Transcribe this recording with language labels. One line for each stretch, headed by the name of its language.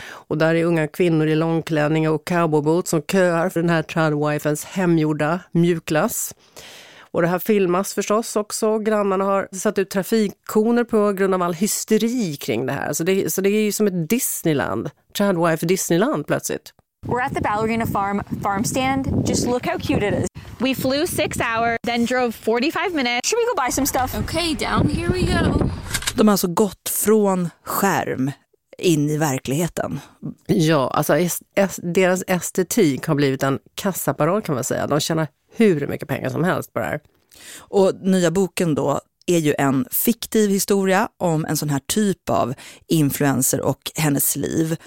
Swedish: Och där är unga kvinnor i långklänning och cowboyboots som köar för den här tradwifens hemgjorda mjuklass. Och det här filmas förstås också. Grannarna har satt ut trafikkoner på grund av all hysteri kring det här. Så det är ju som ett Disneyland. Tradwife Disneyland plötsligt.
English: We're at the Ballerina Farm stand. Just look how cute it is. We flew 6 hours, then drove 45 minutes. Should we go buy some stuff? Okay, down here we go.
Swedish: De har alltså gått från skärm in i verkligheten. Ja, alltså deras estetik har blivit en kassaparoll kan man säga. De tjänar hur mycket pengar som helst på det här. Och nya boken då är ju en fiktiv historia om en sån här typ av influencer och hennes liv.